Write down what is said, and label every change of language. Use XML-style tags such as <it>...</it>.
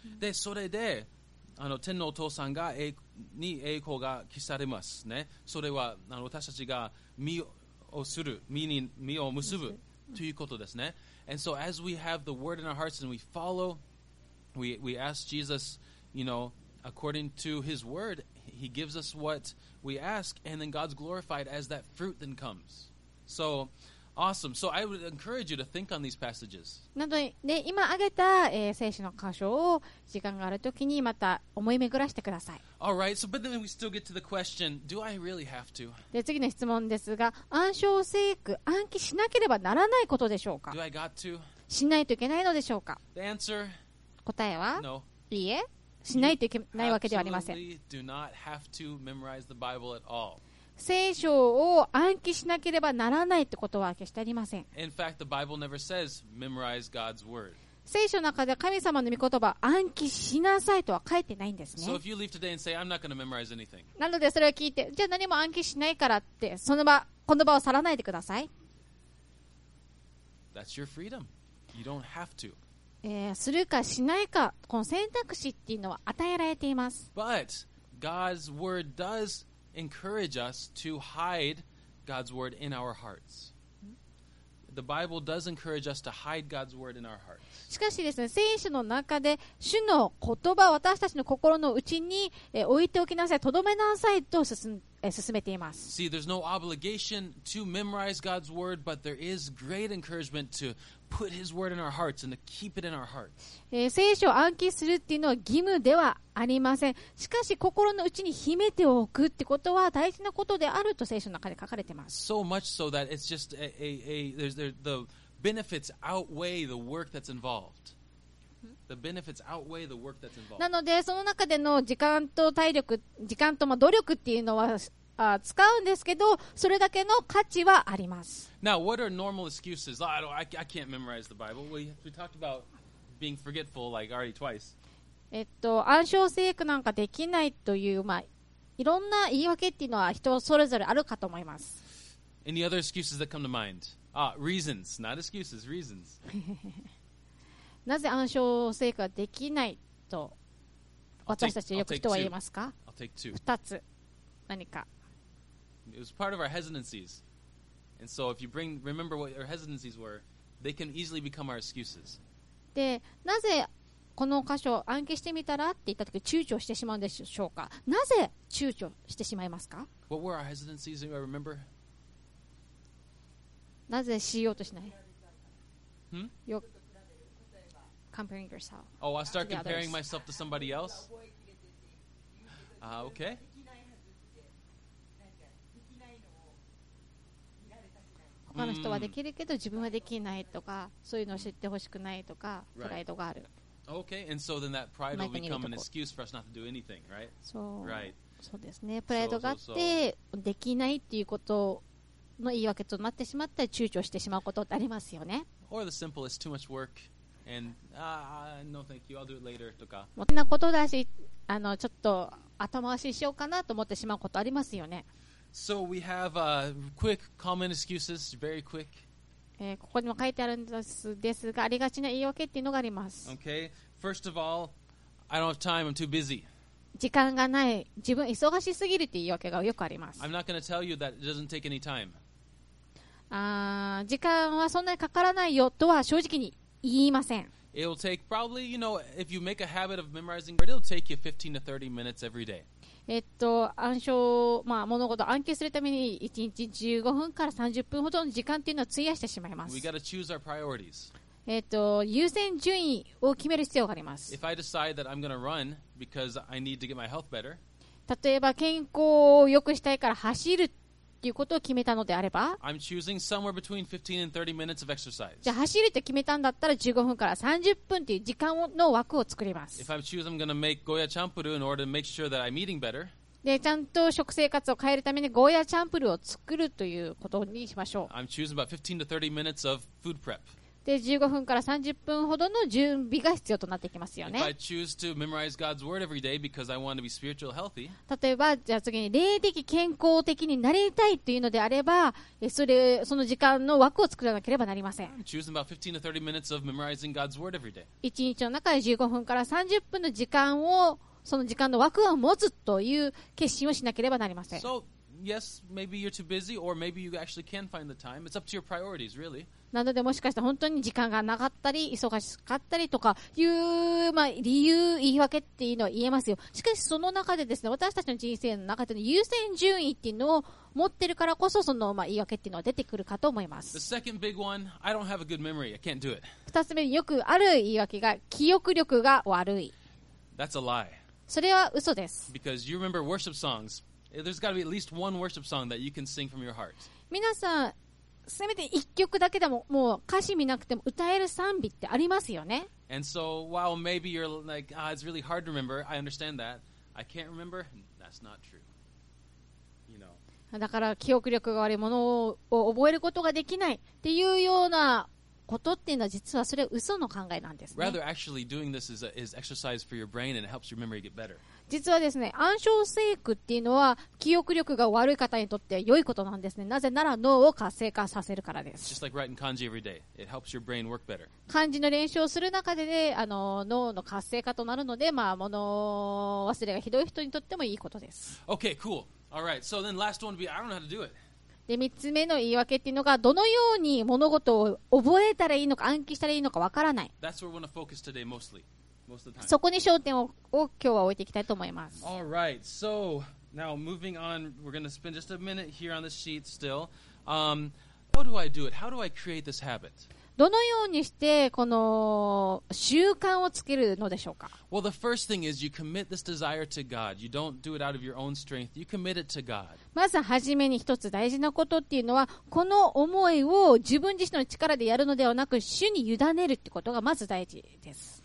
<ja>で、それで天のお父さんがに栄光が帰されますね。それは私たちが身をする、身を結ぶということですね。</ja> <en>And so as we have the word in our hearts and we follow, we ask Jesus, you know, according to his word, he gives us what we ask, and then God's glorified as that fruit then comes. So, awesome. So I would encourage you to think on these passages.</en> <ja>なので、ね、今挙げた、聖書の箇所を時間があるときにまた思い巡らしてください。</ja> <en>All right, so but then we still get to the question, do I really have to?</en> <ja>で、次の質問ですが、暗唱聖句、暗記しなければならないことでしょうか？</ja> <en>Do I got to?</en> <ja>しないといけないのでしょうか？</ja> <en>The answer?</en> <ja>答えは？</ja> <en>No.</en> <ja>いいえ、しないといけないわけではありません。</ja> <en>You absolutely do not have to memorize the Bible at all.</en> <ja>聖書を暗記しなければならないってことは決してありません。</ja> <en>In fact, the Bible never says memorize God's word.</en> <ja>聖書の中で神様の御言葉暗記しなさいとは書いてないんですね。</ja> <en>So if you leave today and say, I'm not going to memorize anything.</en> <ja>なのでそれを聞いて、じゃあ何も暗記しないからってその場、この場を去らないでください。</ja> <en>That's your freedom. You don't have to.</en> <ja>するかしないか、この選択肢っていうのは与えられています。</ja> <en>But God's word does encourage us to hide God's word in our hearts. The Bible does encourage us to hide God's word in our hearts.</en> <ja>しかしですね、聖書の中で主の言葉を私たちの心の内に置いておきなさい、とどめなさいと進めています。</ja> <en>See, there's no obligation to memorize God's word, but there is great encouragement to put His word in our hearts and to keep it in our hearts.</en> <ja>聖書を暗記するっていうのは義務ではありません。しかし心の内に秘めておくってことは大事なことであると聖書の中で書かれてます。</ja> <en>So much so that it's just the benefits outweigh the work that's involved. The benefits outweigh the work that's involved.</en> <ja>なのでその中での時間と体力、時間と努力っていうのは使うんですけど、それだけの価値はあります。</ja> <en>Now what are normal excuses? I can't memorize the Bible. We talked about being forgetful like already twice.</en> <ja>暗唱聖句なんかできないという、まあ、いろんな言い訳っていうのは人それぞれあるかと思います。</ja> <en>Any other excuses that come to mind? Reasons, not excuses, reasons.</en> <ja>なぜ暗唱聖句ができないと私たちよく人は言いますか？ 2つ何か。</ja> <en>It was part of our hesitancies. And so if you remember what our hesitancies were, they can easily become our excuses.</en> <ja>で、なぜこの箇所を暗記してみたらって言ったとき躊躇してしまうんでしょうか？なぜ躊躇してしまいますか？</ja> <en>What were our hesitancies, do you remember?</en> <ja>なぜしようとしない？ Hmm? よく</ja> <en>Comparing yourself. Oh, I start comparing myself to somebody else? Okay.</en> <ja>他の人はできるけど自分はできないとか、そういうのを知ってほしくないとか、プライドがある。</ja> <en>Okay, and so then that pride will become an excuse for us not to do anything, right? Right.</en> <ja>そうですね。プライドがあってできないっていうことの言い訳となってしまったら躊躇してしまうことってありますよね。</ja> <en>Or the simple is too much work. And no, thank you. I'll do it later.</en> <ja>とか。もったいないことだし、ちょっと後回ししようかなと思ってしまうことありますよね。</ja> <en>So we have quick common excuses, very quick.</en> <ja>ここにも書いてあるんですが、ありがちな言い訳っていうのがあります。</ja> <en>Okay. First of all, I don't have time. I'm too busy.</en> <ja>時間がない、自分忙しすぎるという言い訳がよくあります。</ja> <en>I'm not going to tell you that it doesn't take any time.</en> <ja>時間はそんなにかからないよとは正直に言いません。</ja> <en>It'll take probably, you know, if you make a habit of memorizing, it'll take you 15 to 30 minutes every day.</en> <ja>暗証、まあ、物事を暗記するために1日15分から30分ほどの時間というのを費やしてしまいます。</ja> <en>We got to choose our priorities.</en> <ja>優先順位を決める必要があります。</ja> <en>If I decide that I'm going to run because I need to get my health better,</en> <ja>例えば健康を良くしたいから走るということを決めたのであれば、</ja> <en>I'm choosing somewhere between 15 and 30 minutes of exercise.</en> <ja>じゃあ走ると決めたんだったら15分から30分という時間の枠を作ります。</ja> <en>If I choose I'm going to make Goya Champuru in order to make sure that I'm eating better,</en> <ja>でちゃんと食生活を変えるためにゴーヤチャンプルを作るということにしましょう。</ja> <en>I'm choosing about 15 to 30 minutes of food prep.</en> <ja>で15分から30分ほどの準備が必要となってきますよね。</ja> <en>If I choose to memorize God's word every day because I want to be spiritually healthy,</en> <ja>例えばじゃあ次に霊的健康的になりたいというのであれば、その時間の枠を作らなければなりません。</ja> <en>I'm choosing about 15 to 30 minutes of memorizing God's word every day.</en> <ja>1日の中で15分から30分の時間をその時間の枠を持つという決心をしなければなりません。</ja> <en>So, yes, maybe you're too busy or maybe you actually can find the time. It's up to your priorities, really.</en> <ja>なのでもしかしたら本当に時間がなかったり忙しかったりとかいう、まあ、理由言い訳っていうのは言えますよ。しかしその中でですね、私たちの人生の中での優先順位っていうのを持ってるからこそその、まあ、言い訳っていうのは出てくるかと思います。</ja> <en>The second big one, I don't have a good memory. I can't do it.</en> <ja>2つ目によくある言い訳が記憶力が悪い。</ja> <en>That's a lie.</en> <ja>それは嘘です。</ja> <en>Because you remember worship songs. There's got to be at least one worship song that you can sing from your heart.</en> <ja>皆さんせめて一曲だけでももう歌詞見なくても歌える賛美ってありますよね。</ja> <en>And so while maybe you're like, ah, it's really hard to remember, I understand that. I can't remember, that's not true. You know.</en> <ja>だから記憶力が悪いものを覚えることができないっていうようなことっていうのは実はそれは嘘の考えなんですね。</ja> <en>Rather actually doing this is exercise for your brain and it helps your memory get better.</en> <ja>実はですね、暗証成句っていうのは記憶力が悪い方にとって良いことなんですね。なぜなら脳を活性化させるからです。</ja> <en>Just like writing kanji every day, it helps your brain work better.</en> <ja>漢字の練習をする中で、ね、脳の活性化となるので、まあ、物忘れがひどい人にとってもいいことです。</ja> <en>Okay, cool. All right. So then last one would be, I don't know how to do it.</en> <ja>で、3つ目の言い訳っていうのが、どのように物事を覚えたらいいのか、暗記したらいいのかわからない。</ja> <en>That's where we want to focus today mostly.</en> <ja>そこに焦点 を今日は置いていきたいと思います。</ja> <en>All right. So, now moving on, we're going to spend just a minute here on the sheet still. How do I do it? How do I create this habit?</en> <ja>どのようにしてこの習慣をつけるのでしょうか?</ja> <en>Well, the first thing is you commit this desire to God. You don't do it out of your own strength. You commit it to God.</en> <ja>まず初めに一つ大事なことっていうのは、この思いを自分自身の力でやるのではなく、主に委ねるってことがまず大事です。</ja>